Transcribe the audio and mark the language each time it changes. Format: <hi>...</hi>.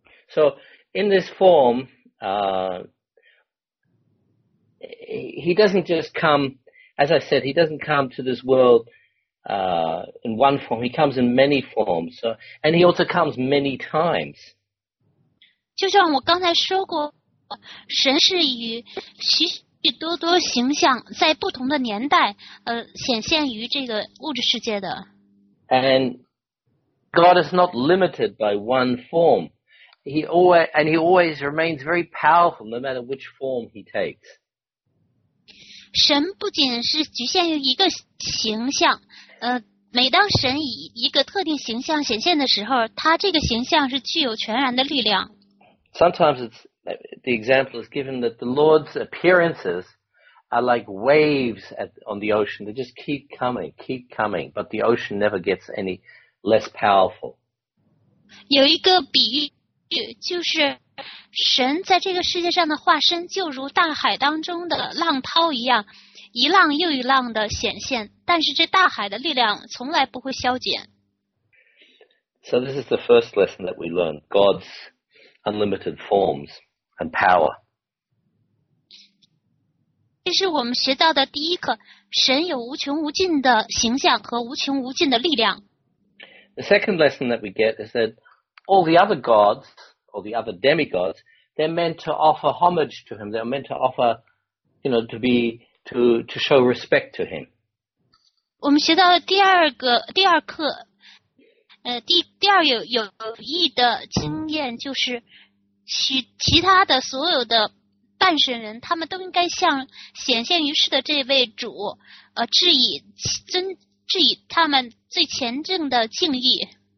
<en>So in this form, he doesn't just come, as I said, he doesn't come to this worldin one form, he comes in many forms, so, and he also comes many times.</en> <zh>就像我刚才说过，神是以许许多多形象在不同的年代显现于这个物质世界的。</zh> <en>And God is not limited by one form. He always remains very powerful no matter which form he takes.</en> <zh>神不仅是局限于一个形象，每当神以一个特定形象显现的时候，他这个形象是具有全然的力量。</zh> <en>Sometimes the example is given that the Lord's appearances are like waves on the ocean. They just keep coming, but the ocean never gets any less powerful.</en> <zh>有一个比喻，就是神在这个世界上的化身就如大海当中的浪涛一样，一浪又一浪的显现，但是这大海的力量从来不会消减。</zh> <en>So this is the first lesson that we learn, God's unlimited forms and power.</en> <zh>这是我们学到的第一课，神有无穷无尽的形象和无穷无尽的力量。</zh> <en>The second lesson that we get is that all the other gods, all the other demigods, they're meant to offer homage to him. They're meant to offer, you know, to show respect to him.</en> <zh>我们学到的第二课。第二有意的经验就是其他的所有的半神人他们都应该向显现于世的这位主致以他们最虔诚的敬意。</zh>